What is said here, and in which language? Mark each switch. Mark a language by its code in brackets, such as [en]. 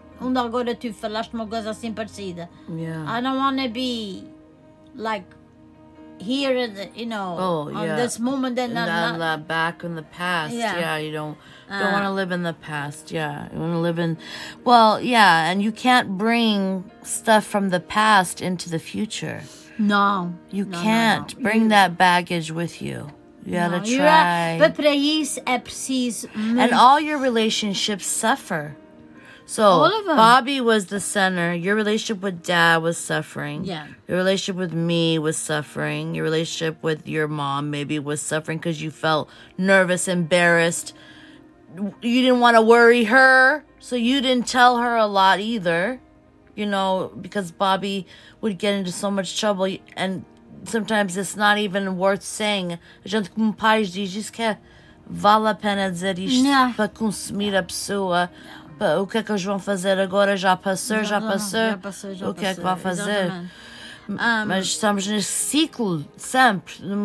[pt] Onde agora tu falaste uma coisa assim parecida. [en] Yeah. I don't want to be like here, in the, you know, this moment. And that back in the past. Yeah, you don't want to live in the past. Yeah, you want to live in... Well, yeah, and you can't bring stuff from the past into the future. No. You no, can't no, no. bring you, that baggage with you. You gotta try. But [pt] para isso é preciso... [en] And all your relationships suffer. So, all of them. Bobby was the center. Your relationship with Dad was suffering. Yeah. Your relationship with me was suffering. Your relationship with your mom maybe was suffering because you felt nervous, embarrassed. You didn't want to worry her. So, you didn't tell her a lot either, you know, because Bobby would get into so much trouble. And sometimes it's not even worth saying. [pt] A gente com pais diz, isso que vale a pena dizer isto para consumir a pessoa. O que é que eles vão fazer agora? Já passou. O que é que vão fazer? Mas estamos nesse ciclo, sempre.